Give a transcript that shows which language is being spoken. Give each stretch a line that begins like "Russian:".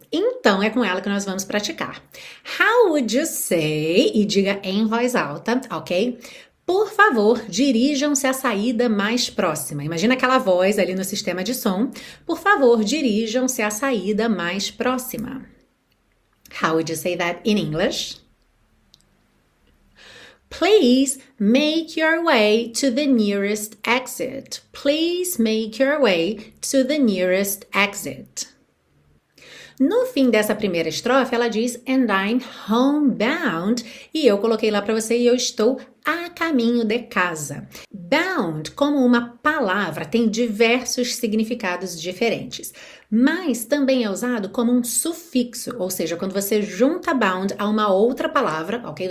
Portuguese: Então é com ela que nós vamos praticar.
English: How would you say,
Portuguese: e diga em voz alta, ok? Por favor, dirijam-se à saída mais próxima. Imagina aquela voz ali no sistema de som. Por favor, dirijam-se à saída mais próxima.
English: How would you say that in English? Please make your way to the nearest exit. Please make your way to the nearest exit.
Portuguese: No fim dessa primeira estrofe, ela diz
English: and I'm homebound,
Portuguese: e eu coloquei lá para você e eu estou a caminho de casa. Bound, como uma palavra, tem diversos significados diferentes, mas também é usado como um sufixo, ou seja, quando você junta bound a uma outra palavra, ok?